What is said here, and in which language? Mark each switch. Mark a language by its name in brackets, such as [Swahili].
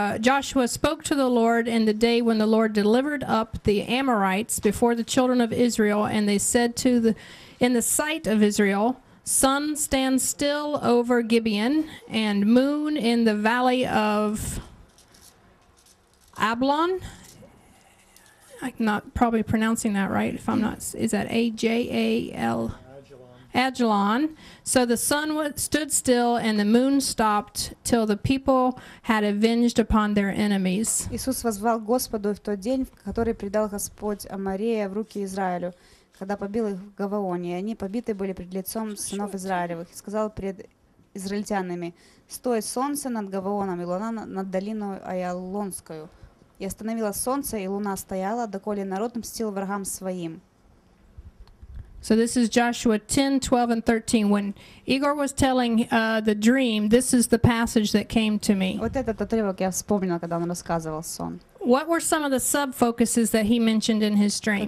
[English] Joshua spoke to the Lord in the day when the Lord delivered up the Amorites before the children of Israel, and they said to in the sight of Israel, sun stand still over Gibeon, and moon in the valley of Ablon. I'm not probably pronouncing that right, if I'm not, is that A-J-A-L? Ajalon. So the sun stood still and the moon stopped till the people had avenged upon their enemies. [Russian] Иисус воззвал Господу в тот день, в который предал Господь Амарея в руки Израилю, когда побил их в Гаваоне, и они побиты были пред лицом сынов Израилевых, и сказал пред израильтянами, стой солнце над Гаваоном и луна над долиной Аялонскую. И остановило солнце, и луна стояла, доколе народ мстил врагам своим. [English] So this is Joshua 10, 12, and 13. When Igor was telling the dream, this is the passage that came to me. [Russian] Вот этот отрывок я вспомнила, когда он рассказывал сон. [English] What were some of the sub-focuses that he mentioned in his dream?